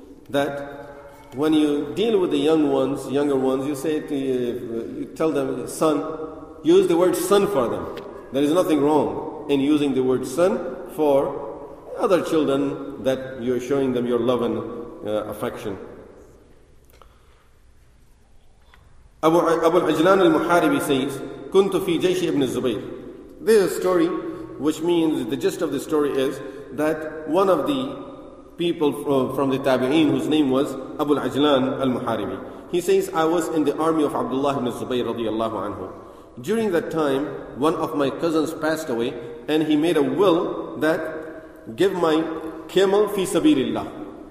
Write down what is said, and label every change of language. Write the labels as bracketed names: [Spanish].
[English] That when you deal with the young ones, younger ones, you say to you tell them, son, use the word son for them. There is nothing wrong in using the word son for other children, that you are showing them your love and affection. [Arabic] Abu Ajlan al-Muharibi says, كنت في جيش ابن الزبير. [English] This is a story, which means the gist of the story is that one of the people from the Tabi'een, whose name was Abu Al-Ajlan Al-Muharibi, he says, I was in the army of Abdullah ibn Zubayr radiallahu anhu. During that time, one of my cousins passed away, and he made a will that give my camel fi sabirillah.